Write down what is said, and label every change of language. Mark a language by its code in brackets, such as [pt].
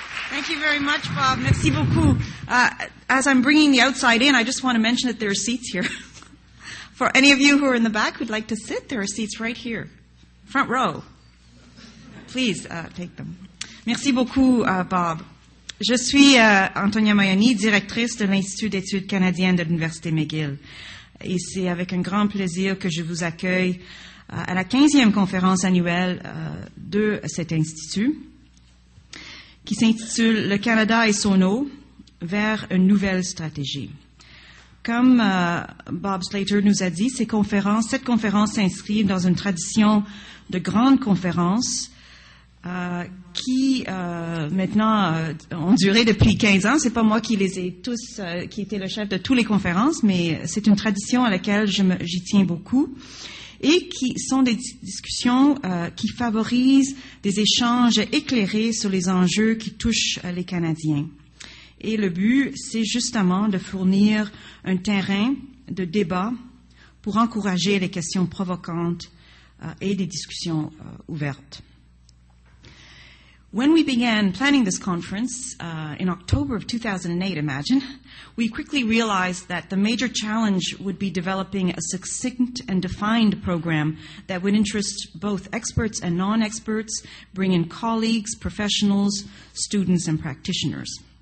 [en] Thank you very much, Bob. [fr] Merci beaucoup. [en] As I'm bringing the outside in, I just want to mention that there are seats here. For any of you who are in the back who'd like to sit, there are seats right here, front row. Please take them. [fr] Merci beaucoup, Bob. Je suis Antonia Maione, directrice de l'Institut d'études canadiennes de l'Université McGill. Et c'est avec un grand plaisir que je vous accueille à la 15e conférence annuelle de cet institut, qui s'intitule « Le Canada et son eau, vers une nouvelle stratégie ». Comme Bob Slater nous a dit, cette conférence s'inscrit dans une tradition de grandes conférences qui, maintenant, ont duré depuis 15 ans. Ce n'est pas moi qui les ai tous, qui était le chef de toutes les conférences, mais c'est une tradition à laquelle j'y tiens beaucoup. Et qui sont des discussions qui favorisent des échanges éclairés sur les enjeux qui touchent les Canadiens. Et le but, c'est justement de fournir un terrain de débat pour encourager les questions provocantes et des discussions ouvertes. [en] When we began planning this conference in October of 2008, imagine, we quickly realized that the major challenge would be developing a succinct and defined program that would interest both experts and non-experts, bring in colleagues, professionals, students, and practitioners.